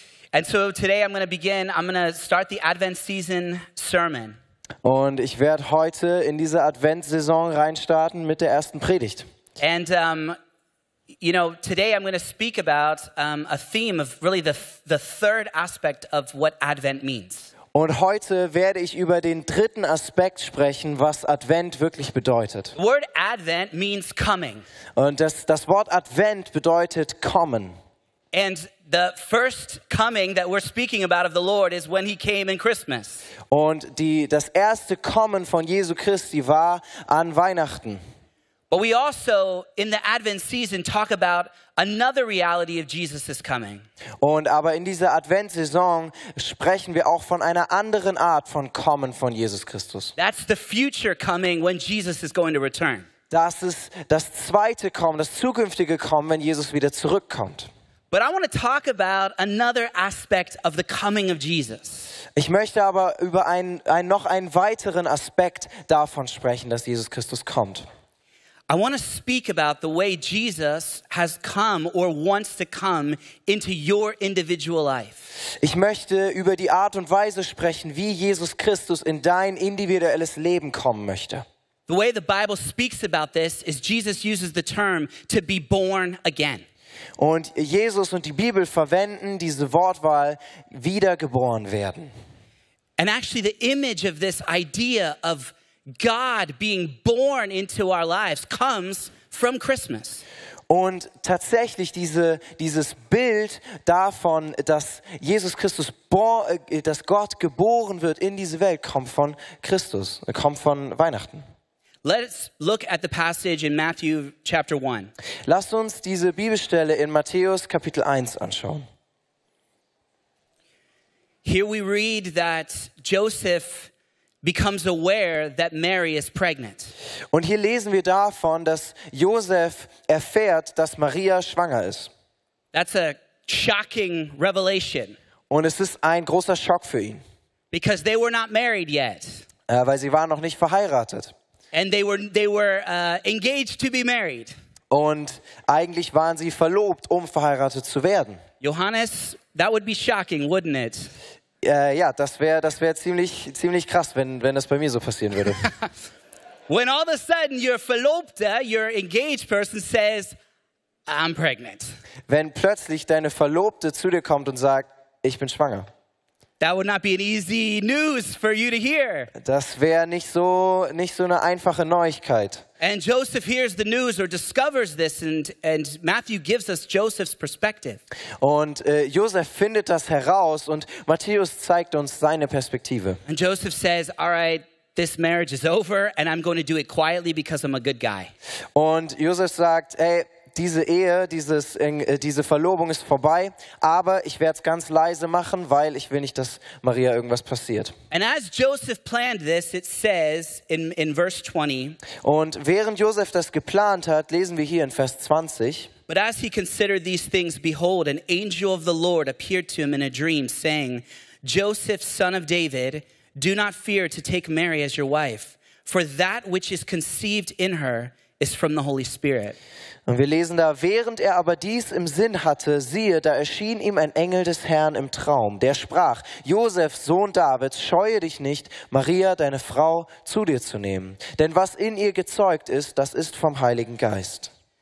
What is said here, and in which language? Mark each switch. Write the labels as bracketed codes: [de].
[en] And so today I'm going to start the Advent season sermon. [de] Und ich werde heute in diese Adventssaison reinstarten mit der ersten Predigt. [en] And you know, today I'm going to speak about a theme of really the third aspect of what Advent means. [de] Und heute werde ich über den dritten Aspekt sprechen, was Advent wirklich bedeutet. [en] The word Advent means coming. [de] Und das Wort Advent bedeutet kommen. [en] And the first coming that we're speaking about of the Lord is when he came in Christmas. [de] Und das erste Kommen von Jesu Christi war an Weihnachten. [en] But we also, in the Advent season, talk about another reality of Jesus' coming. [de] Und aber in dieser Adventssaison sprechen wir auch von einer anderen Art von Kommen von Jesus Christus. [en] That's the future coming when Jesus is going to return. [de] Das ist das zweite Kommen, das zukünftige Kommen, wenn Jesus wieder zurückkommt. [en] But I want to talk about another aspect of the coming of Jesus. [de] Ich möchte aber über einen weiteren Aspekt davon sprechen, dass Jesus Christus kommt. [en] I want to speak about the way Jesus has come or wants to come into your individual life. [de] Ich möchte über die Art und Weise sprechen, wie Jesus Christus in dein individuelles Leben kommen möchte. [en] The way the Bible speaks about this is Jesus uses the term to be born again. [de] Und Jesus und die Bibel verwenden diese Wortwahl, wiedergeboren werden. [en] And actually the image of this idea of God being born into our lives comes from Christmas. [de] Und tatsächlich dieses Bild davon, dass Jesus Christus, dass Gott geboren wird in diese Welt, kommt von Weihnachten. [en] Let's look at the passage in Matthew chapter 1. [de] Lasst uns diese Bibelstelle in Matthäus Kapitel 1 anschauen. [en] Here we read that Joseph becomes aware that Mary is pregnant. [de] Und hier lesen wir davon, dass Joseph erfährt, dass Maria schwanger ist. [en] That's a shocking revelation. [de] Und es ist ein großer Schock für ihn. [en] Because they were not married yet. [de] Weil sie waren noch nicht verheiratet. [en] And they were engaged to be married. [de] Und eigentlich waren sie verlobt, um verheiratet zu werden. [en] Johannes, that would be shocking, wouldn't it? [de] Ja, das wär ziemlich krass, wenn das bei mir so passieren würde. [en] When all of a sudden your verlobte, your engaged person says, I'm pregnant. [de] Wenn plötzlich deine Verlobte zu dir kommt und sagt, ich bin schwanger. [en] That would not be an easy news for you to hear. [de] Das wäre nicht so eine einfache Neuigkeit. [en] And Joseph hears the news or discovers this and Matthew gives us Joseph's perspective. [de] Und Joseph findet das heraus und Matthäus zeigt uns seine Perspektive. [en] And Joseph says, all right, this marriage is over and I'm going to do it quietly because I'm a good guy. [de] Und Joseph sagt, ey, diese Ehe, diese Verlobung ist vorbei, aber ich werde es ganz leise machen, weil ich will nicht, dass Maria irgendwas passiert. [en] And as Joseph planned this, it says in verse 20. [de] Und während Joseph das geplant hat, lesen wir hier in Vers 20. [en] But as he considered these things, behold, an angel of the Lord appeared to him in a dream, saying, Joseph, son of David, do not fear to take Mary as your wife, for that which is conceived in her is from the Holy Spirit. [de] Und wir lesen da, während er aber dies im Sinn hatte, siehe, da erschien ihm ein Engel des Herrn im Traum, der sprach, Josef, Sohn Davids, scheue dich nicht, Maria, deine Frau, zu dir zu nehmen. Denn was in ihr gezeugt ist, das ist vom Heiligen Geist.